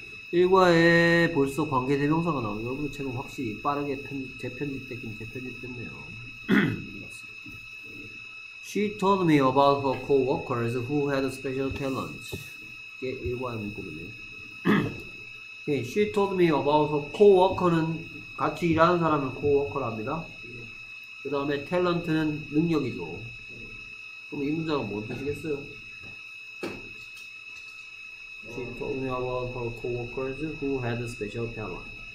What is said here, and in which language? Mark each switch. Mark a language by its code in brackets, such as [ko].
[ko] 일과에 벌써 관계 대명사가 나오죠. 여러분 책은 확실히 빠르게 재편집됐네요. [en] She told me about her co-workers who had a special talent. [ko] 이게 일과의 문구군요. Okay. [en] She told me about her co-worker [ko] 는 같이 일하는 사람을 co-worker 합니다. 그 다음에 talent는 능력이죠. 그럼 이 문장은 뭔 뜻이겠어요? [en] She told me about her co-workers who had a special talent.